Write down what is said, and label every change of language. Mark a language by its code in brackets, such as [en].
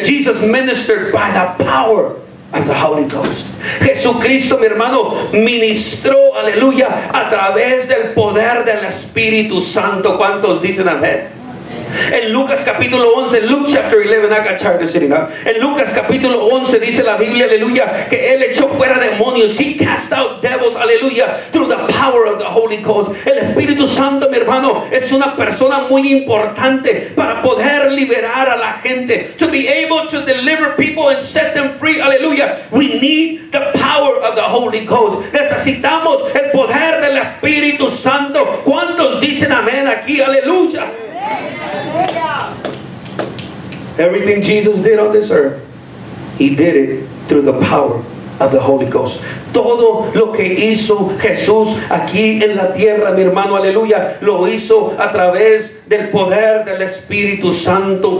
[en] Jesus ministered by the power of the Holy Ghost. [es] Jesucristo, mi hermano, ministró, aleluya, a través del poder del Espíritu Santo. ¿Cuántos dicen amén? En Lucas capítulo 11, [en] Luke chapter 11, I got tired of sitting up. [es] En Lucas capítulo 11 dice la Biblia, aleluya, que él echó fuera demonios. [en] He cast out devils, aleluya, through the power of the Holy Ghost. [es] El Espíritu Santo, mi hermano, es una persona muy importante para poder liberar a la gente. [en] To be able to deliver people and set them free, aleluya. We need the power of the Holy Ghost. [es] Necesitamos el poder del Espíritu Santo. ¿Cuántos dicen amén aquí? Aleluya. [en] Everything Jesus did on this earth, he did it through the power of the Holy Ghost. [es] Todo lo que hizo Jesús aquí en la tierra, mi hermano, aleluya, lo hizo a través del poder del Espíritu Santo.